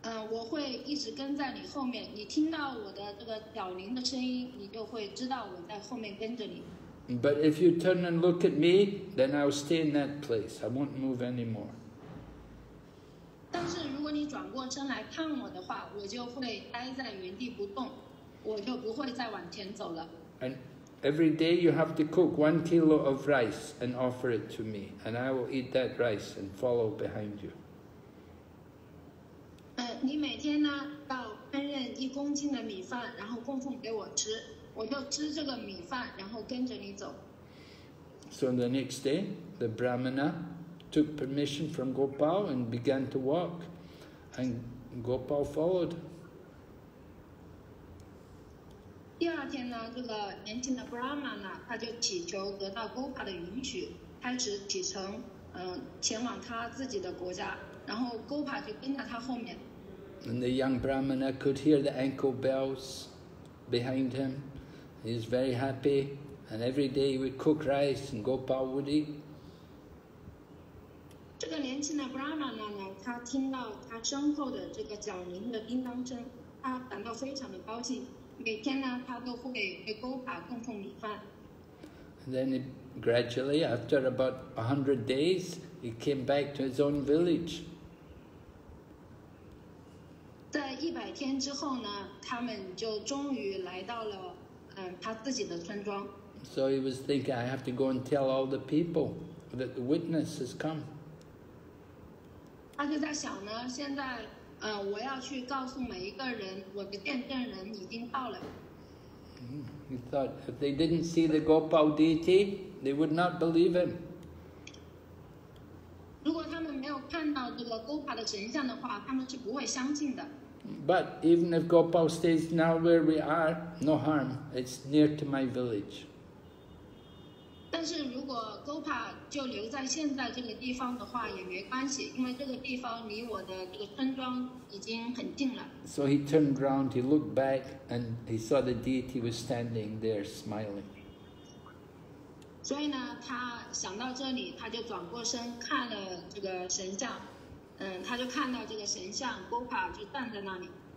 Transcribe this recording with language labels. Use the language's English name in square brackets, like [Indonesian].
[Chinese] 我会一直跟在你后面，你听到我的这个脚铃的声音，你就会知道我在后面跟着你。 [English] But if you turn and look at me, then I'll stay in that place. I won't move anymore. [Chinese] 但是如果你转过身来看我的话，我就会待在原地不动，我就不会再往前走了。 [English] And every day you have to cook 1 kilo of rice and offer it to me, and I will eat that rice and follow behind you. [Chinese] 你每天呢要烹饪1公斤的米饭，然后供奉给我吃，我就吃这个米饭，然后跟着你走。 [English] So the next day, the Brahmana took permission from Gopal and began to walk, and Gopal followed. [Chinese] 第二天呢，这个年轻的 Brahmana 他就祈求得到 Gopal 的允许，开始启程，前往他自己的国家，然后 Gopal 就跟在他后面。 [English] And the young Brahmana could hear the ankle bells behind him. He was very happy. And every day he would cook rice and Gopal would eat. This young Brahmana, he heard his ding-dong bell behind him. He felt very happy. Every day he would offer Gopal rice. And then gradually, after about 100 days, he came back to his own village. [Chinese] 在100天之后呢，他们就终于来到了，他自己的村庄。 [English] So he was thinking, I have to go and tell all the people that the witness has come. [Chinese] 他就在想呢，现在，我要去告诉每一个人，我的见证人已经到了。 [English] He thought if they didn't see the Gopal deity, they would not believe him. [Chinese] 如果他们没有看到这个 Gopal 的神像的话，他们是不会相信的。 [English] But even if Gopal stays now where we are, no harm. It's near to my village. [Chinese] 但是如果 Gopa 就留在现在这个地方的话也没关系，因为这个地方离我的这个村庄已经很近了。 [English] So he turned around, he looked back, and he saw the deity was standing there smiling. [Chinese] 所以呢，他想到这里，他就转过身看了这个神像，他就看到这个神像 Gopa 就站在那里。